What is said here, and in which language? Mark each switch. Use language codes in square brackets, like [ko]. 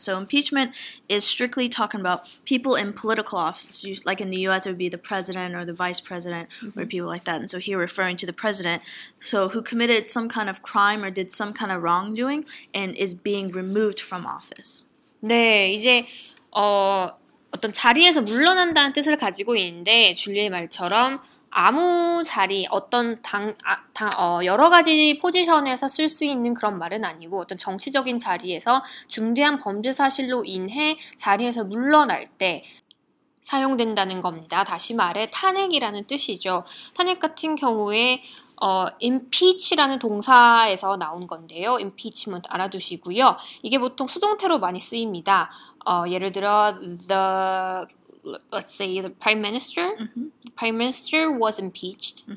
[en] So impeachment is strictly talking about people in political office. Like in the U.S., it would be the president or the vice president mm-hmm. or people like that. And so here referring to the president, so who committed some kind of crime or did some kind of wrongdoing and is being removed from office. [ko] 네, 이제 어떤 자리에서 물러난다는 뜻을 가지고 있는데 줄리의 말처럼 아무 자리, 어떤 여러 가지 포지션에서 쓸 수 있는 그런 말은 아니고 어떤 정치적인 자리에서 중대한 범죄 사실로 인해 자리에서 물러날 때 사용된다는 겁니다. 다시 말해 탄핵이라는 뜻이죠. 탄핵 같은 경우에 impeach라는 동사에서 나온 건데요. impeachment 알아두시고요. 이게 보통 수동태로 많이 쓰입니다. 예를 들어 [en] the let's say the prime minister mm-hmm. the prime minister was impeached mm-hmm.